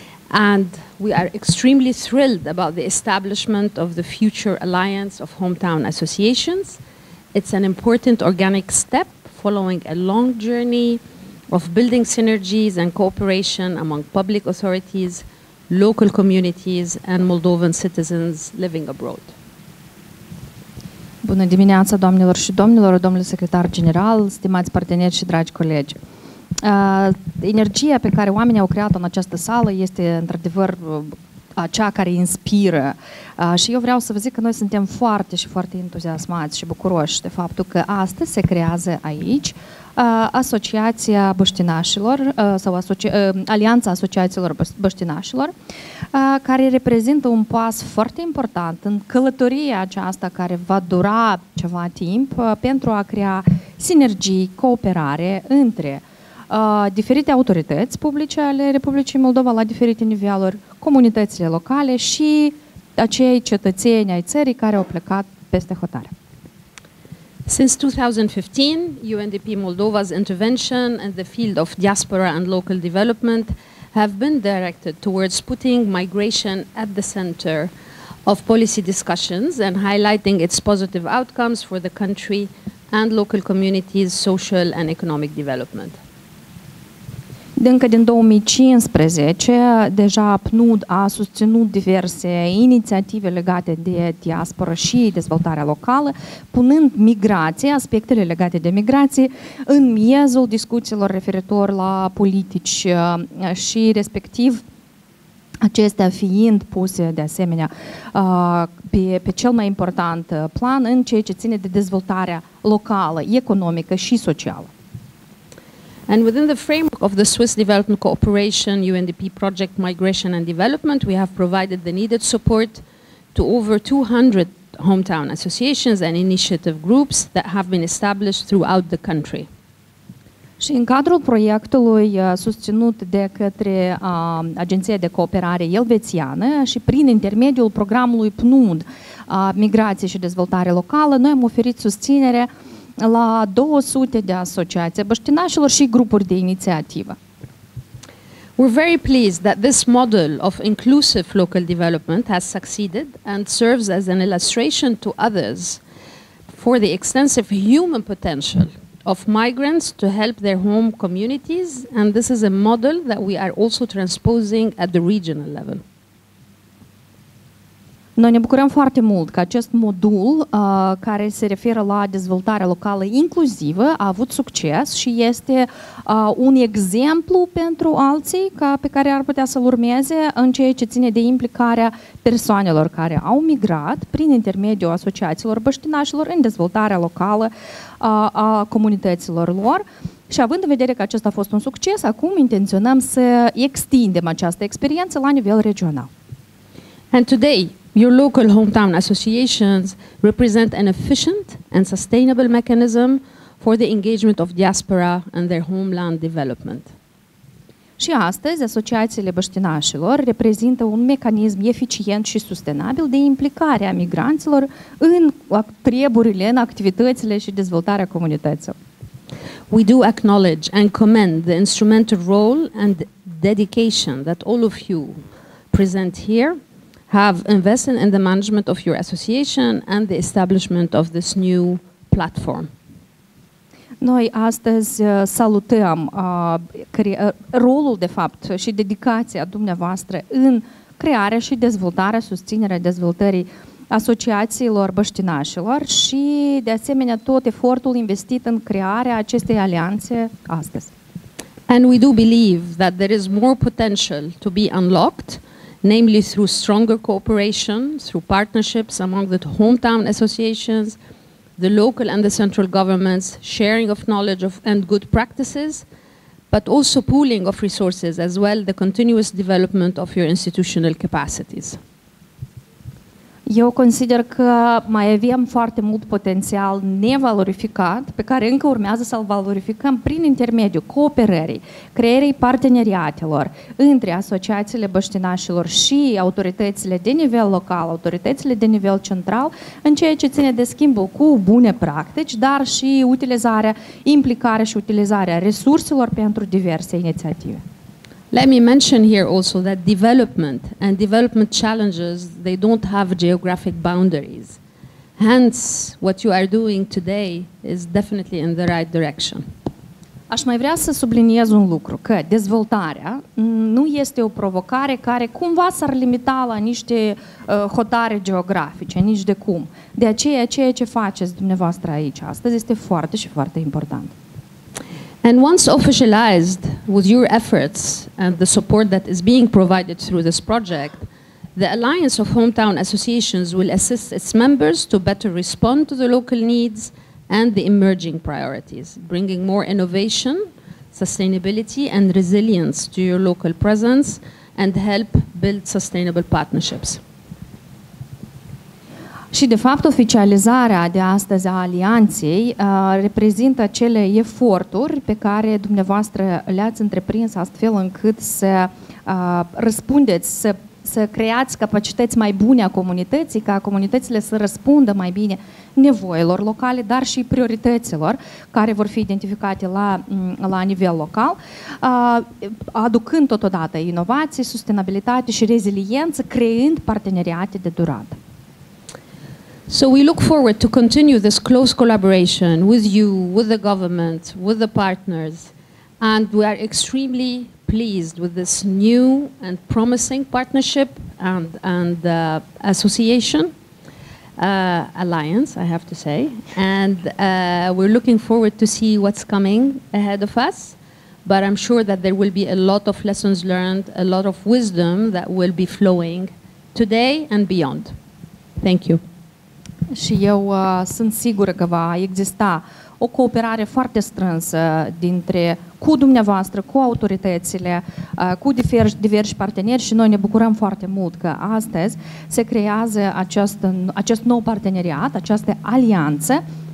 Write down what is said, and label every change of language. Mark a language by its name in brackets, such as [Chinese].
[English] And we are extremely thrilled about the establishment of the Future Alliance of Hometown Associations. It's an important organic step following a long journey of building synergies and cooperation among public authorities, local communities, and Moldovan citizens living abroad. [Romanian] Bună dimineața, doamnelor și domnilor, domnule secretar general, stimați parteneri și dragi colegi. Energia pe care oamenii au creat-o în această sală este într-adevăr cea care inspiră. Și eu vreau să vă zic că noi suntem foarte și foarte entuziasmați și bucuroși de faptul că astăzi se creează aici Asociația Băștinașilor sau Alianța Asociațiilor Băștinașilor, care reprezintă un pas foarte important în călătoria aceasta care va dura ceva timp pentru a crea sinergii, cooperare între diferite autorități publice ale Republicii Moldova la diferite niveluri, comunitățile locale și acei cetățeni ai țării care au plecat peste hotare. [English] Since 2015, UNDP Moldova's intervention in the field of diaspora and local development have been directed towards putting migration at the center of policy discussions and highlighting its positive outcomes for the country and local communities' social and economic development. [Romanian] Încă din 2015, deja PNUD a susținut diverse inițiative legate de diasporă și dezvoltarea locală, punând migrație, aspectele legate de migrație, în miezul discuțiilor referitor la politici și respectiv acestea fiind puse de asemenea pe cel mai important plan în ceea ce ține de dezvoltarea locală, economică și socială. [English] And within the framework of the Swiss Development Cooperation UNDP project Migration and Development, we have provided the needed support to over 200 hometown associations and initiative groups that have been established throughout the country. [Romanian] Și în cadrul proiectului susținut de către Agenția de Cooperare Elvețiană și prin intermediul programului PNUD, Migrație și Dezvoltare Locală, noi am oferit susținere la 200 de asociații băștinașilor și grupuri de inițiativă. [English] We're very pleased that this model of inclusive local development has succeeded and serves as an illustration to others for the extensive human potential of migrants to help their home communities, and this is a model that we are also transposing at the regional level. [Romanian] Noi ne bucurăm foarte mult că acest modul care se referă la dezvoltarea locală inclusivă a avut succes și este un exemplu pentru alții pe care ar putea să-l urmeze în ceea ce ține de implicarea persoanelor care au migrat prin intermediul asociațiilor băștinașilor în dezvoltarea locală a comunităților lor. Și având în vedere că acesta a fost un succes, acum intenționăm să extindem această experiență la nivel regional. [English] And today, your local hometown associations represent an efficient and sustainable mechanism for the engagement of diaspora and their homeland development. [Romanian] Și astăzi, asociațiile băștinașilor reprezintă un mecanism eficient și sustenabil de implicare a migranților în treburile, în activitățile și dezvoltarea comunităților. [English] We do acknowledge and commend the instrumental role and dedication that all of you present here have invested in the management of your association and the establishment of this new platform. [Romanian] Noi astăzi salutăm rolul, de fapt, și dedicația dumneavoastră în crearea și dezvoltarea, susținerea dezvoltării asociațiilor băștinașilor și, de asemenea, tot efortul investit în crearea acestei alianțe astăzi. [English] And we do believe that there is more potential to be unlocked, namely through stronger cooperation, through partnerships among the hometown associations, the local and the central governments, sharing of knowledge and good practices, but also pooling of resources as well, the continuous development of your institutional capacities. [Romanian] Eu consider că mai avem foarte mult potențial nevalorificat, pe care încă urmează să-l valorificăm prin intermediul cooperării, creierii parteneriatelor între asociațiile băștinașilor și autoritățile de nivel local, autoritățile de nivel central, în ceea ce ține de schimbul cu bune practici, dar și utilizarea, implicarea și utilizarea resurselor pentru diverse inițiative. [English] Let me mention here also that development and development challenges, they don't have geographic boundaries. Hence, what you are doing today is definitely in the right direction. [Romanian] Aș mai vrea să subliniez un lucru, că dezvoltarea nu este o provocare care cumva s-ar limita la niște hotare geografice, nici de cum. De aceea, ceea ce faceți dumneavoastră aici astăzi este foarte și foarte important. [English] And once officialized with your efforts and the support that is being provided through this project, the Alliance of Hometown Associations will assist its members to better respond to the local needs and the emerging priorities, bringing more innovation, sustainability and resilience to your local presence and help build sustainable partnerships. [Romanian] Și, de fapt, oficializarea de astăzi a Alianței reprezintă acele eforturi pe care dumneavoastră le-ați întreprins astfel încât să răspundeți, să creați capacități mai bune a comunității, ca comunitățile să răspundă mai bine nevoilor locale, dar și priorităților care vor fi identificate la nivel local, aducând totodată inovații, sustenabilitate și reziliență, creând parteneriate de durată. [English] So we look forward to continue this close collaboration with you, with the government, with the partners, and we are extremely pleased with this new and promising partnership and association, alliance, I have to say, and we're looking forward to see what's coming ahead of us, but I'm sure that there will be a lot of lessons learned, a lot of wisdom that will be flowing today and beyond. Thank you. [Romanian] Și eu sunt sigură că va exista o cooperare foarte strânsă dintre cu dumneavoastră, cu autoritățile, cu diversi parteneri și noi ne bucurăm foarte mult că astăzi se creează acest nou parteneriat, această alianță.